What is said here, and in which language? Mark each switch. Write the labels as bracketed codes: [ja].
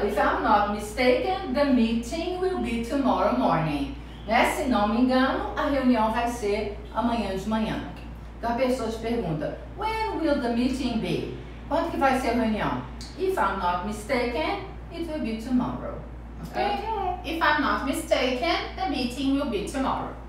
[en] If I'm not mistaken, the meeting will be tomorrow morning. [pt] Né? Se não me engano, a reunião vai ser amanhã de manhã. Então a pessoa te pergunta, [en] when will the meeting be? [pt] Quando que vai ser a reunião? [en] If I'm not mistaken, it will be tomorrow. Okay? Okay. If I'm not mistaken, the meeting will be tomorrow.